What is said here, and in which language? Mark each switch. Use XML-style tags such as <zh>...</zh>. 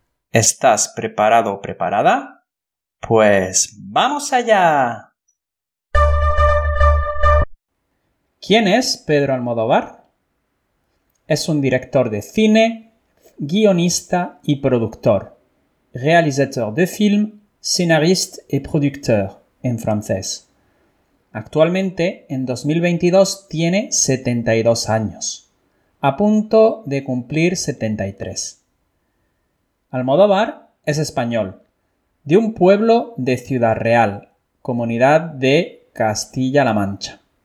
<es>¿Estás preparado o preparada? ¡Pues vamos allá! ¿Quién es Pedro Almodóvar? Es un director de cine, guionista y productor.</es> <fr>Réalisateur de film, scénariste et producteur,</fr> <es>en francés. Actualmente, en 2022, tiene 72 años, a punto de cumplir 73. Almodóvar es español, de un pueblo de Ciudad Real, comunidad de Castilla-La Mancha.</es>